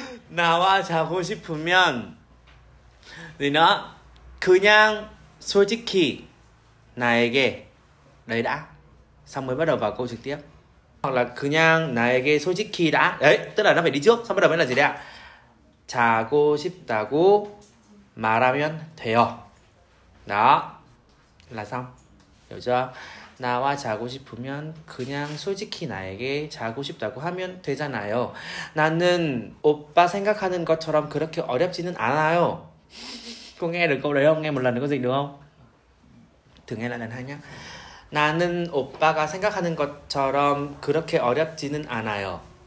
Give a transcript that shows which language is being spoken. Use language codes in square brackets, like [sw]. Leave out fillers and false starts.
[vi] Nào à chào [ko] 싶으면 [vi] gì nữa? [ko] 그냥 솔직히 나에게. [vi] Đấy đã. Xong mới bắt đầu vào câu trực tiếp. Hoặc là [ko] 그냥 나에게 솔직히 [vi] đã. Đấy, tức là nó phải đi trước. Xong bắt đầu mới là gì đấy ạ? [ko] 자고 싶다고 말하면 돼요. [vi] Đó. Là xong. Hiểu chưa? [ko] 나와 자고 싶으면 그냥 솔직히 나에게 자고 싶다고 하면 되잖아요. 나는 오빠 생각하는 것처럼 그렇게 어렵지는 않아요. [vi] Có nghe được câu đấy không? Nghe một lần nữa có dịch được không? Thử nghe lại lần hai nhé. [ko] 나는 오빠가 생각하는 것처럼 그렇게 어렵지는 않아요.